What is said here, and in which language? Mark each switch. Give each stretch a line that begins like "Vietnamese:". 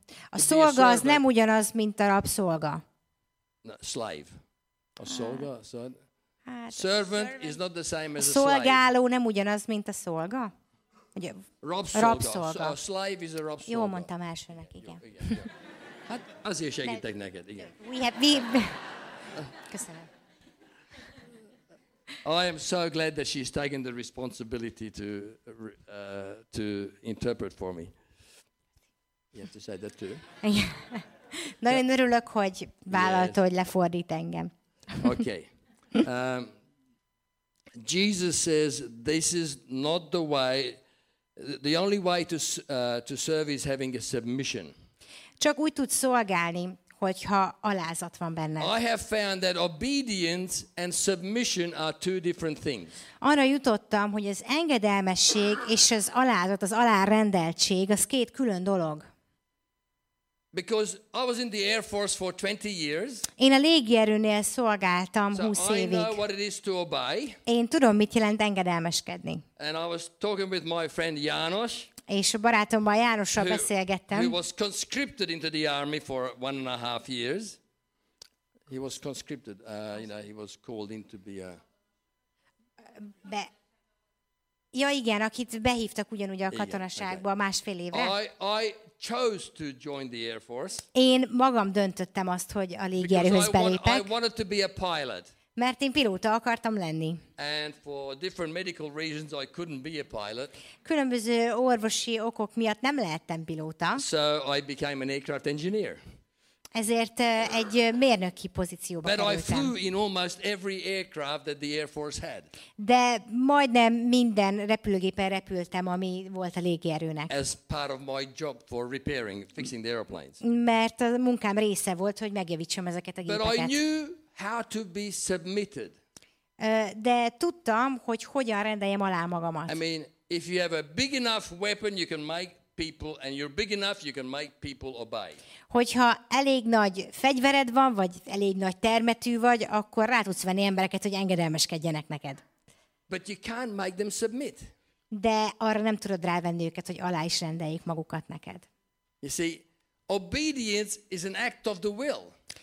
Hungarian: A szolga az nem ugyanaz, mint a rabszolga.
English: No, slave. A szolga? Servant is not the same as a slave.
Hungarian: A szolgáló nem ugyanaz, mint a szolga? Ugye,
English: rabszolga. A slave is a rabszolga.
Hungarian: Jól mondtam elsőnek, igen. Jó. Hát azért segítek neked, igen. Köszönöm.
English: I am so glad that she's taken the responsibility to interpret for me. You have to say that too.
Hungarian: Nagyon örülök, hogy vállalta, hogy lefordít engem.
English: Okay. Jesus says this is not the way, the only way to serve is having a submission.
Hungarian: Csak úgy tudsz szolgálni, hogyha alázat van benned.
English: I have found that obedience and submission are two different things.
Hungarian: Arra jutottam, hogy az engedelmesség és az alázat, az alárendeltség, az két külön dolog.
English: Because I was in the Air Force for 20 years.
Hungarian: Én a légierőnél szolgáltam 20 évig.
English: I know what it is to obey.
Hungarian: Én tudom, mit jelent engedelmeskedni.
English: And I was talking with my friend János.
Hungarian: És a barátommal Jánossal beszélgettem.
English: He was conscripted into the army for 1.5 years. He was conscripted, he was called in to be a...
Hungarian: Ja igen, akit behívtak ugyanúgy a katonaságba másfél évre.
English: I chose to join the Air Force.
Hungarian: Én magam döntöttem azt, hogy a légierőhöz belépek.
English: I wanted to be a pilot.
Hungarian: Mert én pilóta akartam lenni.
English: And for different medical reasons I couldn't be a pilot.
Hungarian: Különböző orvosi okok miatt nem lehettem pilóta.
English: So I became an aircraft engineer.
Hungarian: Ezért egy mérnöki pozícióba
English: But
Hungarian: kerültem.
English: I flew in almost every aircraft that the Air Force had.
Hungarian: De majdnem minden repülőgépen repültem, ami volt a légierőnek.
English: As part of my job for repairing, fixing the airplanes.
Hungarian: Mert a munkám része volt, hogy megjavítsam ezeket a gépeket.
English: But I knew how to be submitted.
Hungarian: De tudtam, hogy hogyan rendeljem alá magamat.
English: I mean, if you have a big enough weapon, you can make people, and you're big enough, you can make people obey.
Hungarian: Hogyha elég nagy fegyvered van, vagy elég nagy termetű vagy, akkor rá tudsz venni embereket, hogy engedelmeskedjenek neked.
English: But you can't make them submit.
Hungarian: De arra nem tudod rávenni őket, hogy alá is rendeljék magukat neked.
English: You see, obedience is an act of the will.